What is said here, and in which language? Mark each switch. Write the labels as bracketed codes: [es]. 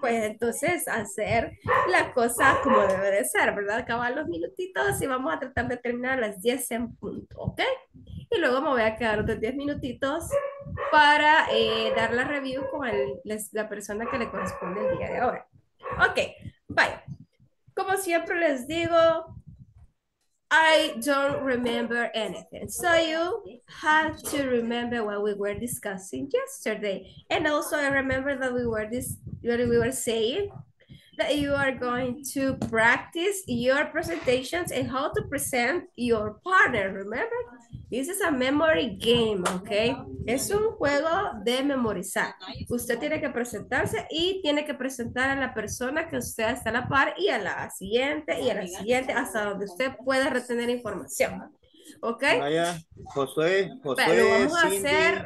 [es] pues, entonces, hacer la cosa como debe de ser, ¿verdad? Acabar los minutitos y vamos a tratar de terminar a las 10 en punto, ¿ok? Y luego me voy a quedar otros 10 minutitos para dar la review con la persona que le corresponde el día de hoy. [en] Ok, bye. [es] Como siempre les digo, [en] I don't remember anything. So you have to remember what we were discussing yesterday. And also I remember that we were saying that you are going to practice your presentations and how to present your partner, remember? This is a memory game, okay? [es] Es un juego de memorizar. Usted tiene que presentarse y tiene que presentar a la persona que usted está a la par y a la siguiente, hasta donde usted pueda retener información, okay? Vaya, Pero lo vamos a hacer